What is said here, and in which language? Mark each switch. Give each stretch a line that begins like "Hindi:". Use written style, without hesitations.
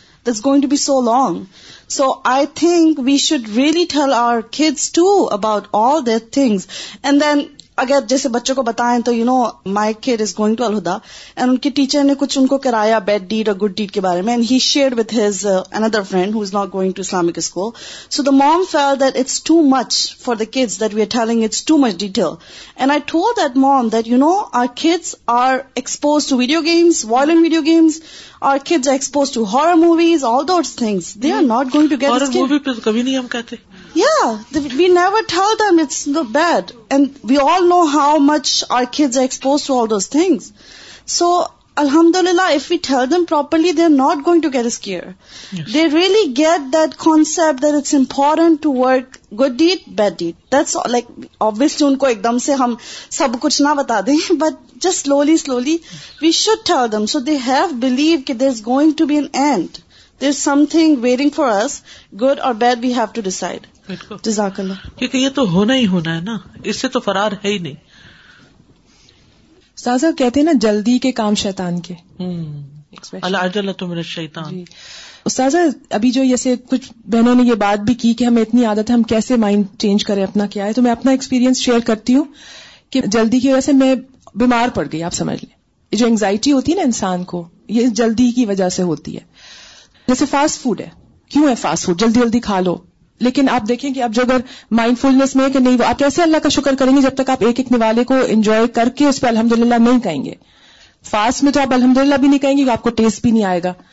English: this going to be so long, so I think we should really tell our kids to about all that things, and then
Urdu: اگر جیسے بچوں کو بتائیں
English: تو you know my kid is going to Al Huda, and
Urdu: ان کے teacher نے کچھ ان کو کرایا
English: bad deed اور good deed
Urdu: کے بارے میں،
English: and he shared with his other friend who is not going to Islamic school, so the mom feel that it's too much for the kids that we are telling it's too much detail, and I told that mom that you know our kids are exposed to video games, violent video games, our kids are exposed to horror movies, all those things they are not going to get,
Urdu: horror movie پہ تو کبھی نہیں ہم کہتے،
English: yeah we never tell them it's not bad, and we all know how much our kids are exposed to all those things, so alhamdulillah if we tell them properly they're not going to get scared. Yes. They really get that concept that it's important to work good deed bad deed, that's all, like obviously
Urdu: unko ekdam se hum sab kuch na bata de,
English: but just slowly slowly we should tell them so they have believe that there's going to be an end, there's something waiting for us, good or bad we have to decide.
Urdu: بالکل، کیونکہ یہ تو ہونا ہی ہونا ہے نا، اس سے تو فرار ہے ہی نہیں۔ سازا کہتے ہیں نا جلدی کے کام شیطان کے،
Arabic: العجلۃ من الشیطان۔
Urdu: استاذہ ابھی جو جیسے کچھ بہنوں نے یہ بات بھی کی کہ ہمیں اتنی عادت ہے ہم کیسے مائنڈ چینج کریں اپنا کیا ہے، تو میں اپنا ایکسپیرینس شیئر کرتی ہوں کہ جلدی کی وجہ سے میں بیمار پڑ گئی، آپ سمجھ لیں جو انگزائٹی ہوتی ہے نا انسان کو، یہ جلدی کی وجہ سے ہوتی ہے، جیسے فاسٹ فوڈ ہے، کیوں ہے فاسٹ فوڈ، جلدی جلدی کھا لو، لیکن آپ دیکھیں کہ آپ جو اگر مائنڈ فلنس میں ہے کہ نہیں، آپ کیسے اللہ کا شکر کریں گے جب تک آپ ایک ایک نوالے کو انجوائے کر کے اس پہ الحمدللہ نہیں کہیں گے، فاسٹ میں تو آپ الحمدللہ بھی نہیں کہیں گے کہ آپ کو ٹیسٹ بھی نہیں آئے گا،